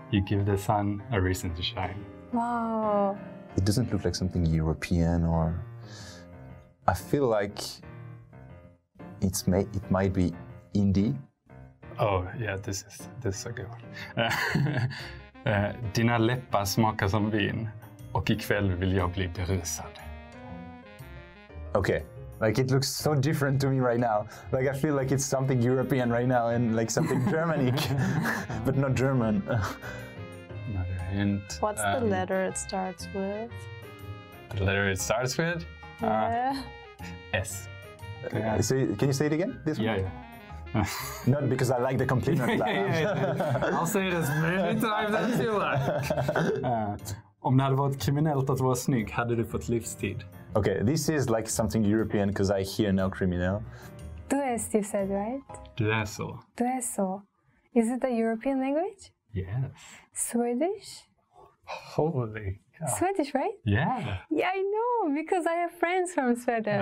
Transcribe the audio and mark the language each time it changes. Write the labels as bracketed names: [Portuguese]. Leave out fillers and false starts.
[English] You give the sun a reason to shine. Wow. It doesn't look like something European or... I feel like it's it might be indie. Oh, yeah, this is a good one. [Swedish] Dina läppar smakar som vin och ikväll vill jag bli berusad. [English] Okay, like it looks so different to me right now. Like I feel like it's something European right now and like something Germanic, but not German. Hint. What's the letter it starts with? The letter it starts with? S. Can you say it again? This one? Yeah. Not because I like the compliment. Yeah. I'll say it as many times as you like. [Swedish] Om det hade varit kriminellt att vara snygg, hade du fått livstid. [English] Okay, this is like something European because I hear no criminal. [Swedish] Du är så, [English] you said, right? [Swedish] Du är så. Du är så. [English] Is it a European language? Yes. Swedish? Holy cow. Swedish, right? Yeah. Yeah, I know, because I have friends from Sweden.